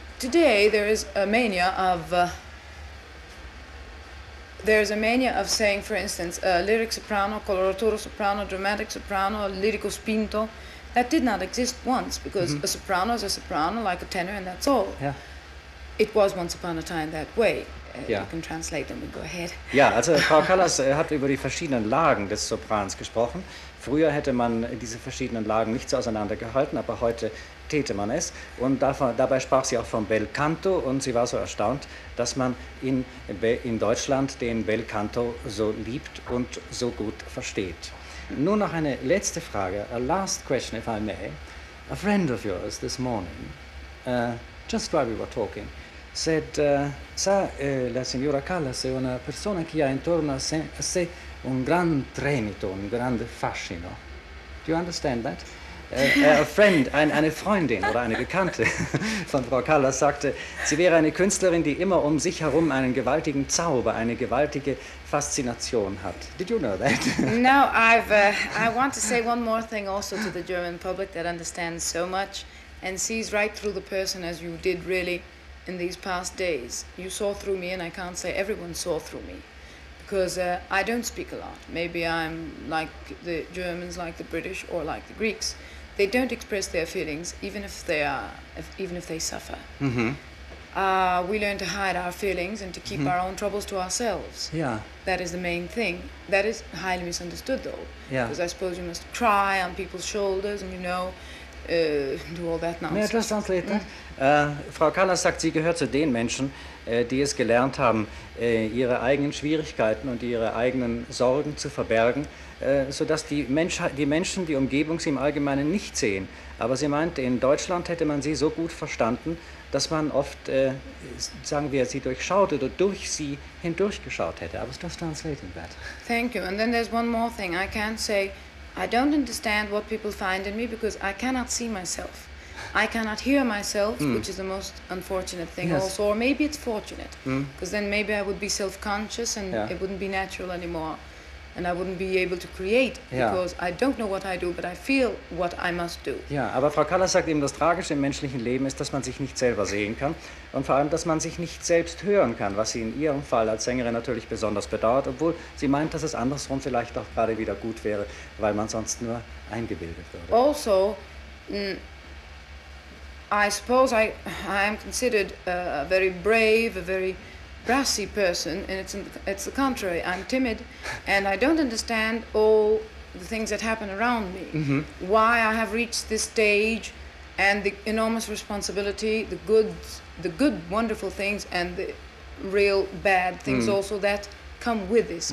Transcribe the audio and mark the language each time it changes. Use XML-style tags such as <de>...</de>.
<en>Today there is a mania of saying, for instance, lyric soprano, coloratura soprano, dramatic soprano, lirico spinto. That did not exist once, because a soprano is a soprano, like a tenor, and that's all. Yeah. It was once upon a time that way. Yeah. You can translate them and go ahead.</en> <de>Ja, also Frau Callas hat über die verschiedenen Lagen des Soprans gesprochen. Früher hätte man diese verschiedenen Lagen nicht so auseinandergehalten, aber heute täte man es. Und dabei sprach sie auch vom Bel Canto und sie war so erstaunt, dass man in Deutschland den Bel Canto so liebt und so gut versteht. Nur noch eine letzte Frage,</de> <en>a last question if I may. A friend of yours this morning, just while we were talking, said,</en> <it>sa, la signora Callas è una persona che ha intorno a sé un gran tremito, un grande fascino.</it> <en>Do you understand that?</en> <de>Eine Freundin oder eine Bekannte von Frau Callas sagte, sie wäre eine Künstlerin, die immer um sich herum einen gewaltigen Zauber, eine gewaltige Faszination hat.</de> <en>Did you know that? No, I want to say one more thing also to the German public that understands so much and sees right through the person as you did really in these past days. You saw through me and I can't say everyone saw through me. Because I don't speak a lot. Maybe I'm like the Germans, like the British, or like the Greeks. They don't express their feelings, even if they suffer. Mm-hmm. We learn to hide our feelings and to keep mm-hmm. our own troubles to ourselves. Yeah. That is the main thing. That is highly misunderstood, though. Yeah. Because I suppose you must cry on people's shoulders and, you know, do all that nonsense. May I just translate that?</en> <de>Frau Callas sagt, sie gehört zu den Menschen, die es gelernt haben, ihre eigenen Schwierigkeiten und ihre eigenen Sorgen zu verbergen, sodass die Menschen die Umgebung sie im Allgemeinen nicht sehen. Aber sie meint, in Deutschland hätte man sie so gut verstanden, dass man oft, sagen wir, sie durchschaut oder durch sie hindurchgeschaut hätte. Aber ist das</de> <en>translating that? Thank you. And then there's one more thing. I can't say, I don't understand what people find in me because I cannot see myself. I cannot hear myself, which is the most unfortunate thing yes. also, or maybe it's fortunate, because then maybe I would be self-conscious and yeah. it wouldn't be natural anymore, and I wouldn't be able to create, yeah. because I don't know what I do, but I feel what I must do.</en> <de>Ja, aber Frau Callas sagt eben, das Tragische im menschlichen Leben ist, dass man sich nicht selber sehen kann und vor allem, dass man sich nicht selbst hören kann, was sie in ihrem Fall als Sängerin natürlich besonders bedauert, obwohl sie meint, dass es andersrum vielleicht auch gerade wieder gut wäre, weil man sonst nur eingebildet würde.</de> <en>Also, I suppose I am considered a very brave, a very brassy person, and it's the contrary. I'm timid, and I don't understand all the things that happen around me, mm-hmm. why I have reached this stage, and the enormous responsibility, the good, wonderful things, and the real bad things also that come with this</en>